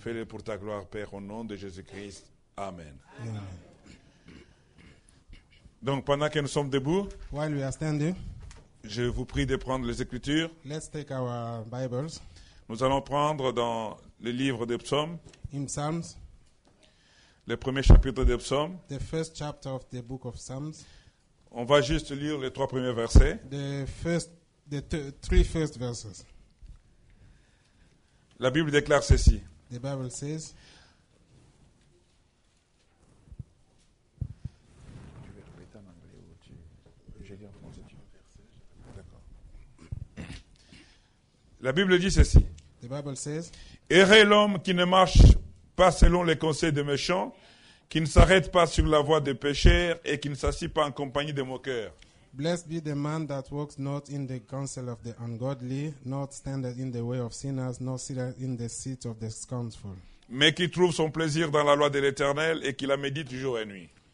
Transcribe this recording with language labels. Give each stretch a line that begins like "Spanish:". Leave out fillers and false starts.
French: Fais-le pour ta gloire, Père, au nom de Jésus-Christ. Amen. Amen. Donc, pendant que nous sommes debout,
English: while we are standing,
French: je vous prie de prendre les Écritures.
English: Let's take our Bibles.
French: Nous allons prendre dans le livre des Psaumes.
English: In Psalms,
French: le premier chapitre des Psaumes.
English: The first chapter of the book of Psalms.
French: On va juste lire les trois premiers versets.
English: The three first verses.
French: La Bible déclare ceci.
English: The Bible says.
French: La Bible dit ceci.
English: The Bible says.
French: Errez l'homme qui ne marche pas selon les conseils des méchants, qui ne s'arrête pas sur la voie des pécheurs et qui ne s'assied pas en compagnie des moqueurs.
English: Blessed be the man that walks not in the counsel of the ungodly, not standeth in the way of sinners, nor sitteth in the seat of the scornful.
French: Mais qui trouve son plaisir dans la loi de l'Éternel et qui la médite jour et nuit.